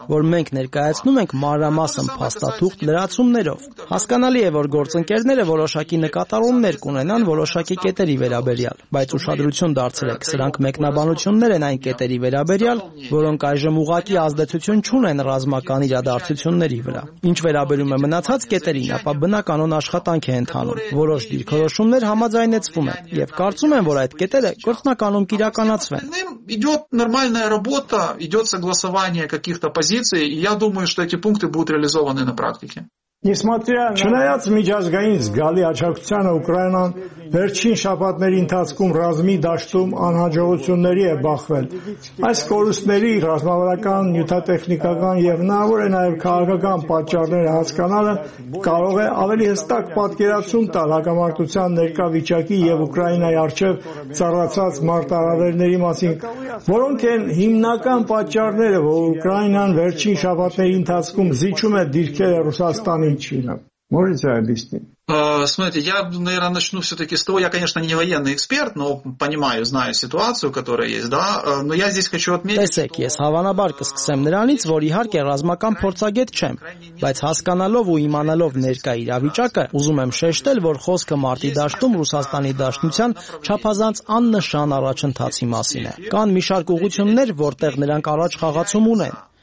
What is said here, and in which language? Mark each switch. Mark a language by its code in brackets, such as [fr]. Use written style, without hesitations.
[hy] որ մենք ներկայացնում ենք մանրամասն փաստաթուղթ լրացումներով։ Հասկանալի է, որ գործընկերները որոշակի նկատառումներ կունենան որոշակի կետերի վերաբերյալ, բայց ուշադրություն դարձրեք, սրանք մեկնաբանություններ են այն կետերի վերաբերյալ, որոնք այժմ ուղղակի ազդեցություն չունեն ռազմական իրադարձությունների վրա։ Ինչ վերաբերում է մնացած կետերին, ապա բնականոն աշխատանք է ընթանում, որոշ դիրքորոշումներ համաձայնեցվում են, և կարծում եմ, որ այդ կետերը գործնականում կիրականացվեն։ [ru] Идет нормальная работа, идет согласование каких-то позиций, и я думаю, что эти пункты будут реализованы на практике. [hy] Չնայած միջազգային զգալի աջակցությանը Ուկրաինան վերջին շաբաթների ընթացքում ռազմի դաշտում անհաջողությունների է բախվել, այս կորուստների ռազմավարական, նյութատեխնիկական և հնարավոր է նաև քաղաքական պատճառները հասկանալը կարող է ավելի հստակ պատկերացում տալ հակամարտության ներկա վիճակի և Ուկրաինայի առջև ծառացած մարտահրավերների մասին, որոնք են հիմնական պատճառները, որ Ուկրաինան վերջին շաբաթների ընթացքում զիջում է դիրքերը Ռուսաստանի։ [ru] Можете объяснить? Смотрите, я, наверное, начну все-таки с того, я, конечно, не военный эксперт, но понимаю, знаю ситуацию, которая есть, да, но я здесь хочу отметить, что... [hy] Тесек, ես հավանաբար կսկսեմ նրանից, որ իհարկե ռազմական փորձագետ չեմ, բայց հասկանալով ու իմանալով ներկա իրավիճակը, ուզում եմ շեշտել, որ խոսքը մարտի դաշտում Ռուսաստանի դաշնության չափազանց աննշան առաջընթացի մասին է։ Կան մի շարք ուղություններ, որտեղ նրանք առաջ խաղացում ունեն,